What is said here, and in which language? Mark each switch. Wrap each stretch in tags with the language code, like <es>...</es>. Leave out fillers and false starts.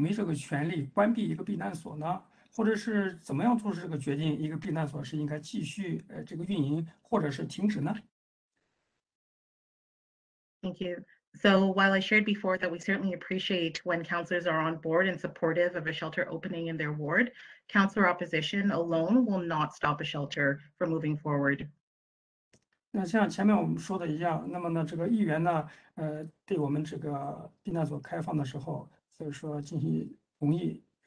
<zh>另外一个问题啊，澄清一下啊，那么议员有没有这个权利关闭一个避难所呢？或者是怎么样做出这个决定？一个避难所是应该继续这个运营，或者是停止呢？</zh> <en>Thank you. So while I shared before that we certainly appreciate when counselors are on board and supportive of a shelter opening in their ward, counselor opposition alone will not stop a shelter from moving forward.</en> <zh>那像前面我们说的一样，那么呢，这个议员呢，对我们这个避难所开放的时候，所以说进行同意。</zh>